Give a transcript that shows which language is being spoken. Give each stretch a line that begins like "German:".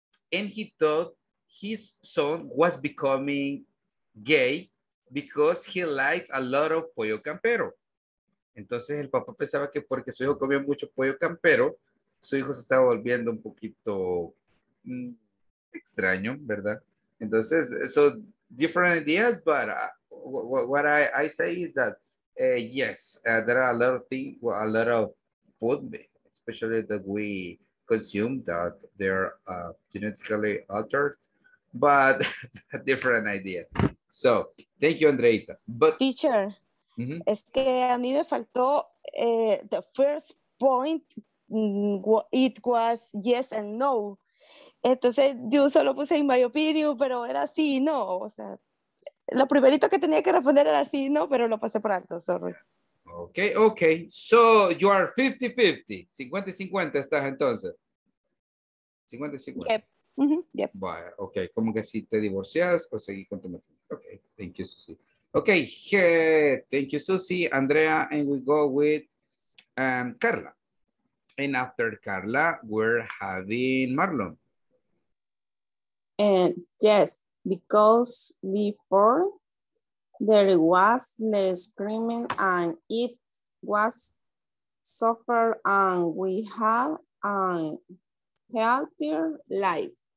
English: and he thought his son was becoming gay because he liked a lot of pollo campero.
Spanish: Entonces el papá pensaba que porque su hijo comía mucho pollo campero, su hijo se está volviendo un poquito extraño, ¿verdad?
English: Entonces, so different ideas, but what I say is that yes, there are a lot of things, a lot of food, especially that we consume that they're genetically altered, but different idea. So, thank you, Andreita. But
Spanish: teacher, mm-hmm. Es que a mí me faltó
English: the first point. It was yes and no.
Spanish: Entonces, yo solo puse
English: in my opinion,
Spanish: pero era sí y no. O sea, lo primerito que tenía que responder era sí y no, pero lo pasé por alto, sorry.
English: Okay, okay. So, you are 50-50.
Spanish: 50-50 estás entonces. 50-50.
English: Yep. Mm-hmm. Yep.
Spanish: Vaya, okay. ¿Cómo que si te divorcias o seguís con tu matrimonio?
English: Okay, thank you, Susie. Okay, yeah. Thank you, Susie, Andrea, and we go with Carla. And after Carla, we're having Marlon. And yes, because before there was the screaming and it was suffered and we had a healthier life.